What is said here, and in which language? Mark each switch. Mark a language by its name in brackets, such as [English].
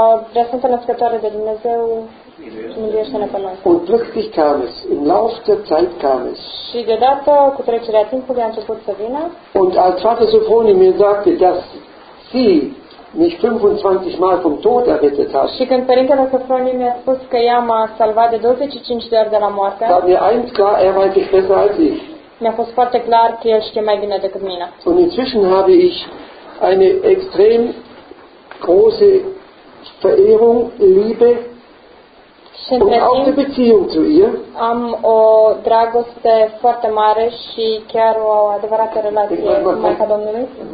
[Romanian] Vrea Sfânta Născătoare de Dumnezeu, miluiește-ne pe noi. [German] Und plötzlich kam es, im Lauf der Zeit kam es. [Romanian] Și deodată, cu trecerea timpului, a început să vină. [German] Und als Vater Sofroni mir sagte, dass sie mich 25 Mal vom Tod errettet hat. [Romanian] Și când Părintele Sofroni mi-a spus că ea m-a salvat de 25 de ori de la moarte, [German] da mir eins klar, er weiß ich besser als ich. [Romanian] Mi-a fost foarte clar că el știe mai bine decât mine. [German] Und inzwischen habe ich eine extrem große Verehrung, Liebe und auch eine Beziehung zu ihr. [Romanian] Am o dragoste foarte mare și chiar o adevărată relație cu Maica Domnului.